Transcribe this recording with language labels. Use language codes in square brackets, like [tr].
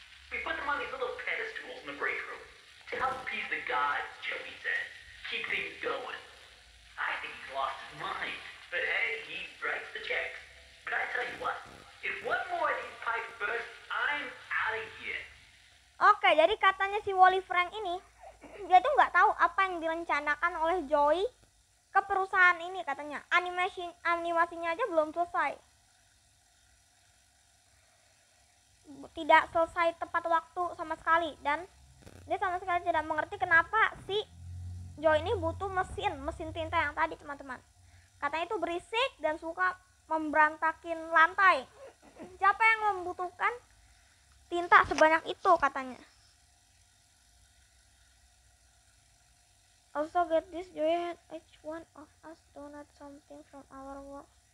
[en] We put them on these little pedestals in the break room to help appease the gods, Joey said. Keep things going. I think he's lost his mind. But hey, he writes the checks. But I tell you what, if one more of these pipes bursts, I'm out of here. [id] Okay, jadi katanya si Wally Frank ini, dia tuh nggak tahu apa yang direncanakan oleh Joey ke perusahaan ini katanya. Animasinya aja belum selesai. Tidak selesai tepat waktu sama sekali. Dan dia sama sekali tidak mengerti kenapa si Joey ini butuh mesin tinta yang tadi, teman-teman. Katanya itu berisik dan suka memberantakin lantai. Siapa yang membutuhkan tinta sebanyak itu, katanya. [en] Also get this, Joey had each one of us donate something from our work.